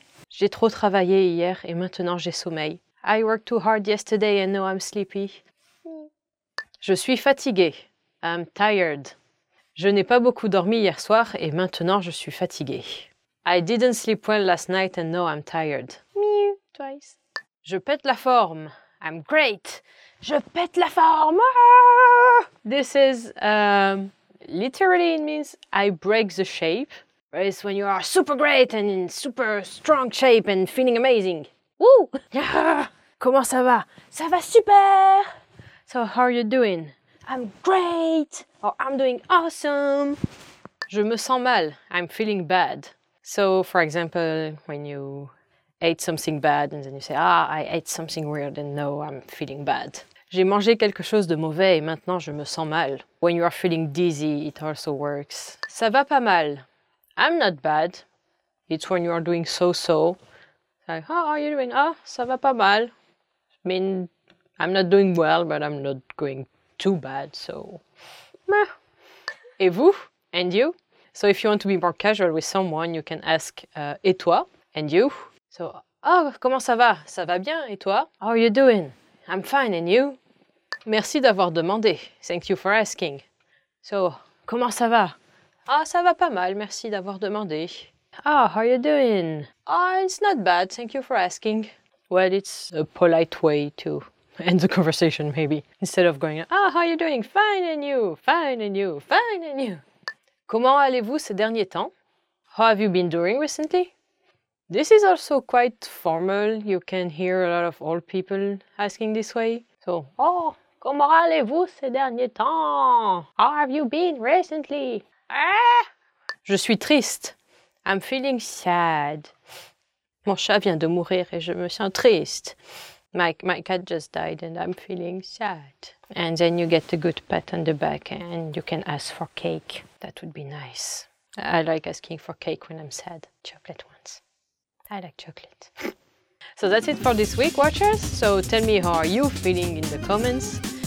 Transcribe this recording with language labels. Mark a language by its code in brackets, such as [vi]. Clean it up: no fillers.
[fr] J'ai trop travaillé hier et maintenant j'ai sommeil. [en] I worked too hard yesterday and now I'm sleepy. [fr] Je suis fatiguée. [en] I'm tired. [fr] Je n'ai pas beaucoup dormi hier soir et maintenant je suis fatiguée. [en] I didn't sleep well last night and now I'm tired. Mew. Twice. [fr] Je pète la forme. [en] I'm great. [fr] Je pète la forme. [en] This is literally it means I break the shape. It's when you are super great and in super strong shape and feeling amazing. Woo! [fr] Comment ça va? Ça va super! [en] So how are you doing? I'm great! Or I'm doing awesome! [fr] Je me sens mal. [en] I'm feeling bad. So, for example, when you ate something bad and then you say, ah, I ate something weird and now I'm feeling bad. [fr] J'ai mangé quelque chose de mauvais et maintenant je me sens mal. [en] When you are feeling dizzy, it also works. [fr] Ça va pas mal. [en] I'm not bad. It's when you are doing so-so. Like, how are you doing? [fr] Ah, ça va pas mal. [en] I mean, I'm not doing well, but I'm not going too bad, so... Meh. [fr] Et vous? [en] And you? So if you want to be more casual with someone, you can ask, [fr] et toi? [en] And you? So, oh, [fr] comment ça va? Ça va bien, et toi? [en] How are you doing? I'm fine, and you? [fr] Merci d'avoir demandé. [en] Thank you for asking. [fr] So, comment ça va? Ah, ça va pas mal, merci d'avoir demandé. [en] Ah, how are you doing? Ah, it's not bad, thank you for asking. Well, it's a polite way to end the conversation, maybe. Instead of going, ah, how are you doing? Fine, and you? Fine, and you? Fine, and you? [fr] Comment allez-vous ces derniers temps? [en] How have you been doing recently? This is also quite formal. You can hear a lot of old people asking this way. So, [fr] oh, comment allez-vous ces derniers temps? [en] How have you been recently? Ah! [fr] Je suis triste. [en] I'm feeling sad. [fr] Mon chat vient de mourir et je me sens triste. [en] My cat just died and I'm feeling sad. And then you get a good pat on the back and you can ask for cake. That would be nice. I like asking for cake when I'm sad. Chocolate ones. I like chocolate. So that's it for this week, watchers. So tell me how are you feeling in the comments.